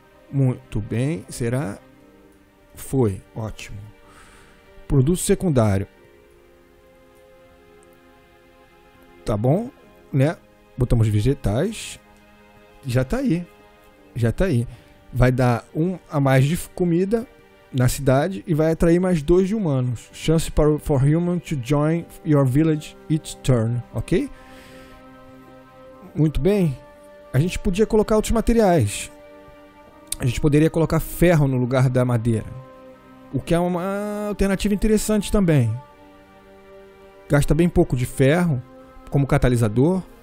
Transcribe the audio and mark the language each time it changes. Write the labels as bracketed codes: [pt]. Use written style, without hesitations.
[pt] Muito bem. Será? Foi. Ótimo. Produto secundário. Tá bom, né? Botamos vegetais. Já tá aí. Vai dar 1 a mais de comida na cidade e vai atrair mais 2 de humanos. [en] Chance for human to join your village each turn. Ok? [pt] Muito bem. A gente podia colocar outros materiais. a gente poderia colocar ferro no lugar da madeira, o que é uma alternativa interessante também. Gasta bem pouco de ferro como catalisador.